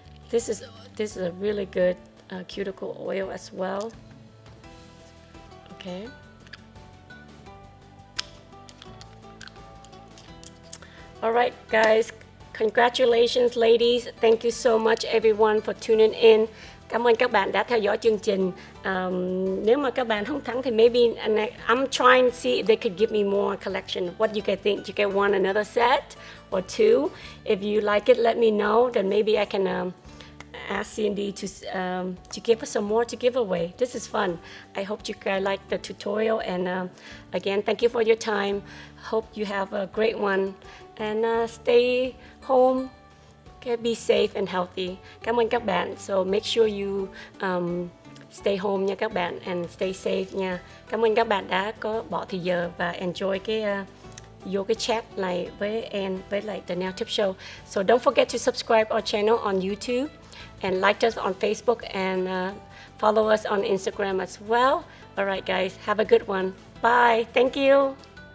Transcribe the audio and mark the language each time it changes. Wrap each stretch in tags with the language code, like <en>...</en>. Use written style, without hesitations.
<en>This is a really good cuticle oil as well. Okay. All right, guys. Congratulations, ladies. Thank you so much, everyone, for tuning in.</en> <vi>Cảm ơn các bạn đã theo dõi chương trình. Nếu mà các bạn không thắng thì</vi> <en>maybe I'm trying to see if they could give me more collection. What do you guys think? Do you guys want another set or two? If you like it, let me know. Then maybe I can ask C&D to give us some more to give away. This is fun. I hope you guys like the tutorial. And again, thank you for your time. Hope you have a great one. And stay home. Okay, be safe and healthy.</en> <vi>Cảm ơn các bạn.</vi> <en>So make sure you stay home</en> <vi>nha các bạn.</vi> <en>And stay safe nha.</en> <vi>Cảm ơn các bạn đã có bỏ thời giờ và enjoy cái chat này với em, với lại The Nail Tip Show.</vi> <en>So don't forget to subscribe our channel on YouTube. And like us on Facebook and follow us on Instagram as well. All right, guys, have a good one. Bye. Thank you.</en>